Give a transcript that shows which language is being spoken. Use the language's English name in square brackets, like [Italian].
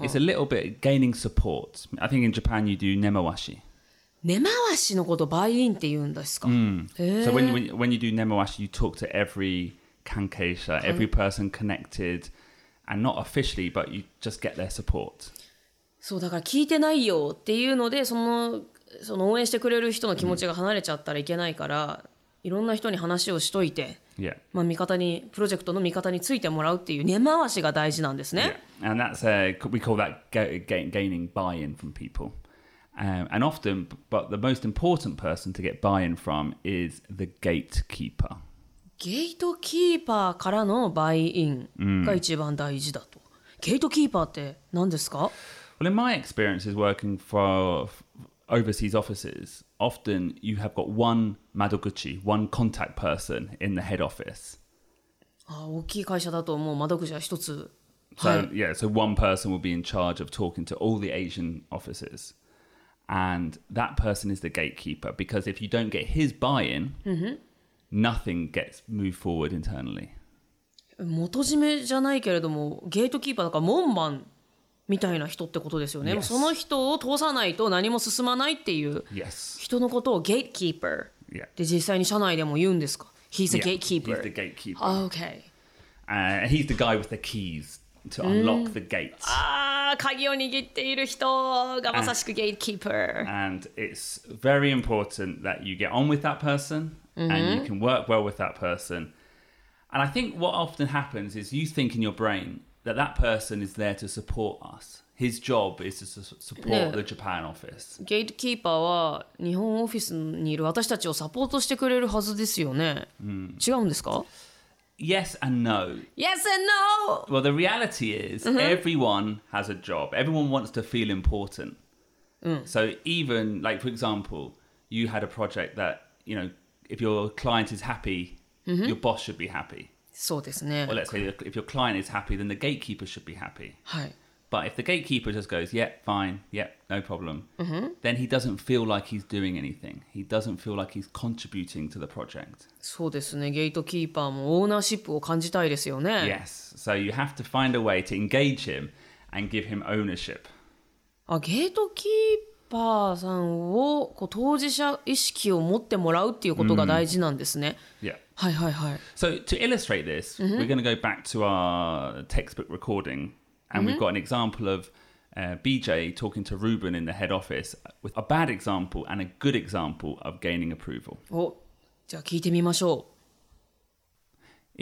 [English] It's a little bit gaining support. I think in Japan you do nemawashi. [Japanese] Nemawashi のこと buy in って言うんですか? [English] So when you do nemawashi, you talk to every kankeisha, every person connected, and not officially, but you just get their support. [Japanese] そうだから聞いてないよっていうので、その応援してくれる人の気持ちが離れちゃったらいけないから、いろんな人に話をしといて、 [English] Yeah. [Japanese] まあ味方に、プロジェクトの味方についてもらうっていう根回しが大事なんですね。 [English] Yeah. And that's, we call that gaining buy-in from people. And often, but the most important person to get buy-in from is the gatekeeper. [Japanese] Gatekeeper からの buy-in が一番大事だと。 Gatekeeper って何ですか? [English] Well, in my experience is working for overseas offices, often you have got one madokuchi, one contact person in the head office. [Japanese] ああ、大きい会社だともう窓口は一つ。 [English] So, yeah, so one person will be in charge of talking to all the Asian offices. And that person is the gatekeeper, because if you don't get his buy-in, nothing gets moved forward internally. [Japanese] 元締めじゃないけれども、ゲートキーパーだから門番。みたいな人ってことですよね。 [English] Yes. [Japanese] その人を通さないと何も進まないっていう人のことをゲートキーパーで実際に社内でも言うんですか [English] He's a gatekeeper. He's the gatekeeper. Okay. He's the guy with the keys to unlock the gates. Ah, [Japanese] 鍵を握っている人がまさしくゲートキーパー。 [English] And it's very important that you get on with that person、mm-hmm. and you can work well with that person. And I think what often happens is you think in your brain that that person is there to support us. His job is to support、ね、the Japan office. [Japanese] ゲートキーパーは日本オフィスにいる私たちをサポートしてくれるはずですよね、mm. 違うんですか？ [English] Yes and no. Yes and no! Well, the reality is、mm-hmm. everyone has a job. Everyone wants to feel important.、 Mm. So even, like for example, you had a project that, you know, if your client is happy,、mm-hmm. your boss should be happy. [Japanese] そうですね。 [English] Well, let's say if your client is happy, then the gatekeeper should be happy. [Japanese] はい。 [English] But if the gatekeeper just goes, yep,、yeah, fine, yep,、yeah, no problem,、 mm-hmm. then he doesn't feel like he's doing anything. He doesn't feel like he's contributing to the project. [Japanese] そうですね。ゲートキーパーもオーナーシップを感じたいですよね。 [English] Yes. So you have to find a way to engage him and give him ownership. [Japanese] あ、ゲートキーパーさんをこう当事者意識を持ってもらうっていうことが大事なんですね。 [English] Mm. Yeah. [Japanese] はいはいはい。 [English] So to illustrate this,、mm-hmm. we're going to go back to our textbook recording and、mm-hmm. we've got an example of、BJ talking to Ruben in the head office with a bad example and a good example of gaining approval. [Japanese] おじゃあ聞いてみましょう。